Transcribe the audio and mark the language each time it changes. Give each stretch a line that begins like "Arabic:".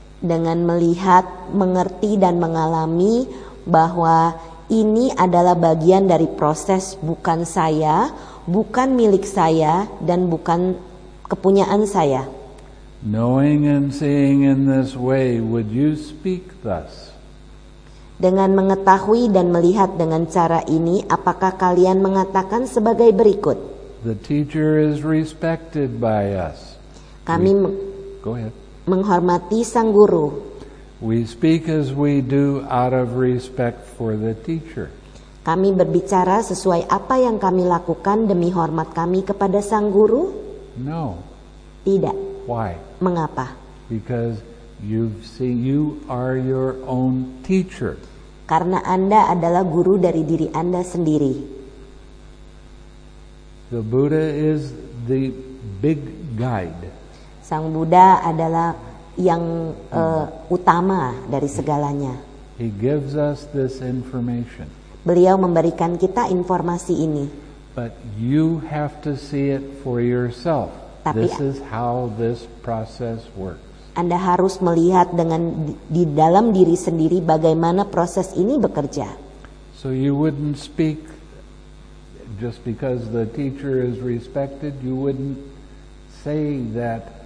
Indonesian: Dengan melihat, mengerti dan mengalami bahwa ini adalah bagian dari proses, bukan saya, bukan milik saya dan bukan kepunyaan saya.
English: Knowing and seeing in this way, would you speak thus?
Indonesian: Dengan mengetahui dan melihat dengan cara ini, apakah kalian mengatakan sebagai berikut?
English: The teacher is respected by us.
Indonesian: Kami menghormati sang guru.
English: We speak as we do out of respect for the teacher.
Indonesian: Kami berbicara sesuai apa yang kami lakukan demi hormat kami kepada sang guru?
English: No.
Indonesian: Tidak.
English: Why?
Indonesian: Mengapa?
English: Because you are your own teacher.
Indonesian: Karena Anda adalah guru dari diri Anda sendiri.
English: The Buddha is the big guide.
Indonesian: Sang Buddha adalah yang utama dari segalanya.
English: He gives us this information.
Indonesian: Beliau memberikan kita informasi ini.
English: But you have to see it for yourself.
Indonesian: Tapi,
English: this is how this process works.
Indonesian: Anda harus melihat dengan di dalam diri sendiri bagaimana proses ini bekerja.
English: So you wouldn't speak just because the teacher is respected, you wouldn't say that.